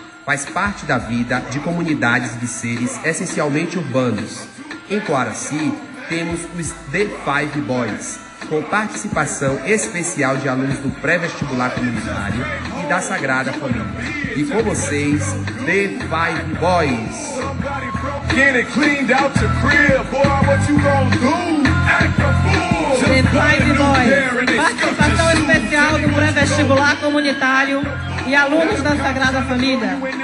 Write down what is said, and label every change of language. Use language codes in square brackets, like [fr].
[pt] Faz parte da vida de comunidades de seres essencialmente urbanos. Em Coaraci, temos os The Five Boys, com participação especial de alunos do pré-vestibular comunitário e da Sagrada Família. E com vocês, The Five Boys. [en] Get it cleaned out your crib, boy, what you gonna do? Act a fool! [pt] The Five Boys, participação especial do pré-vestibular comunitário e alunos da Sagrada Família.